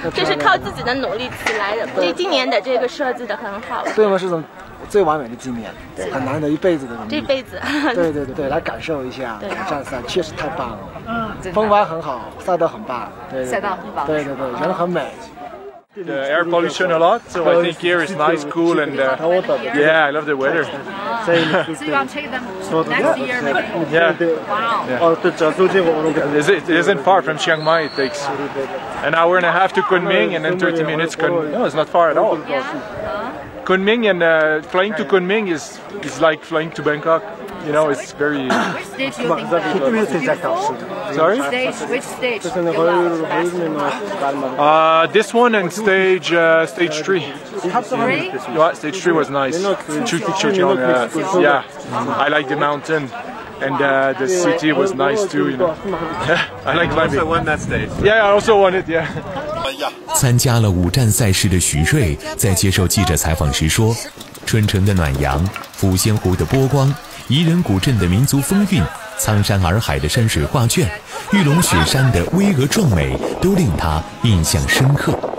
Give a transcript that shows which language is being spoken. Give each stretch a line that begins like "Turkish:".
Chinese: 这是靠自己的努力起来的。今年的这个设计的很好。对吗？是种最完美的纪念，很难得一辈子的努力。这辈子。对对对，来感受一下挑战赛，确实太棒了。嗯，风帆很好，赛道很棒。对，赛道很棒。对对对，人很美。
English: The air pollution a lot, so I think here is nice, cool, and yeah, I love the weather. So you want to take them next year? Yeah. It isn't far from Chiang Mai, it takes an hour and a half to Kunming, and then 30 minutes. No, it's not far at all. Kunming, and flying to Kunming is like flying to Bangkok. You know, it's very. Which stage? This one and stage three. Yeah, stage three was nice. Yeah, I like the mountain, and the city was nice too. You know, I like climbing. I also won that stage. Yeah, I also won it. Yeah.
Chinese: 参加了五站赛事的徐瑞在接受记者采访时说：“春城的暖阳，抚仙湖的波光。” 宜人古镇的民族风韵，苍山洱海的山水画卷，玉龙雪山的巍峨壮美，都令他印象深刻。